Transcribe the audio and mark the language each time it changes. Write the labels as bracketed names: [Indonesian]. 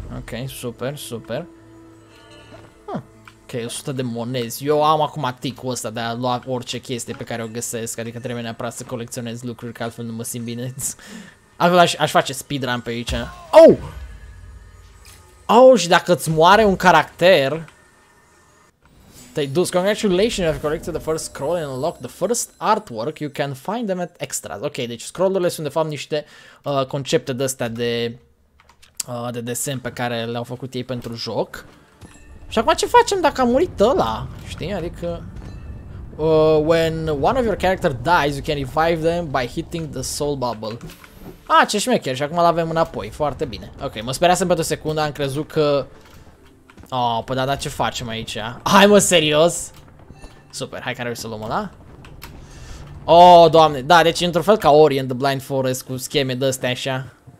[Romanian] Ok, super, super. Ok, 100 de monezi. Eu am acum ticul ăsta de a lua orice chestie pe care o găsesc. Adică trebuie neapărat să colecționez lucruri, că altfel nu mă simt bine. Acum aș face speedrun pe aici. Oh! Oh, și dacă îți moare un caracter... [English] They do. Congratulations, you have collected the first scroll and unlocked the first artwork. You can find them at extras. [Romanian] Ok, deci scrollurile sunt de fapt niște concepte de-astea de desen pe care le-au făcut ei pentru joc. Și acum ce facem dacă a murit ăla? Știi? Adică... [English] when one of your character dies, you can revive them by hitting the soul bubble. [Romanian] Ah, ce șmecher, și acum l-avem înapoi. Foarte bine. Ok, mă speriasem pentru o secundă, am crezut că... Oh, păi da, ce facem aici? Hai mă, serios? Super, hai că ar trebui să luăm ăla. Oh, doamne, da, deci într-un fel ca Ori in the Blind Forest cu scheme de astea așa.